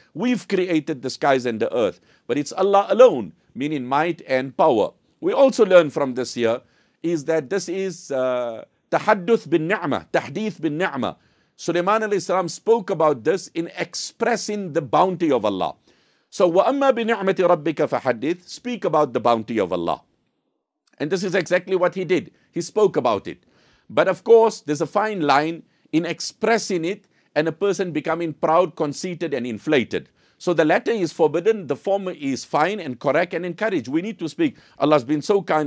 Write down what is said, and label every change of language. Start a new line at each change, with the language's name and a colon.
English: We've created the skies and the earth. But it's Allah alone, meaning might and power. We also learn from this here is that this is
Arabic: تَحَدُّث بِالنِّعْمَةِ تَحْدِيث بِالنِّعْمَةِ.
English: Sulaiman alayhi salam spoke about this in expressing the bounty of Allah.
Arabic: So, وَأَمَّا بِنِعْمَةِ رَبِّكَ فَحَدِّثْ.
English: Speak about the bounty of Allah. And this is exactly what he did. He spoke about it. But of course, there's a fine line in expressing it and a person becoming proud, conceited, and inflated. So the latter is forbidden, the former is fine and correct and encouraged. We need to speak. Allah's been so kind.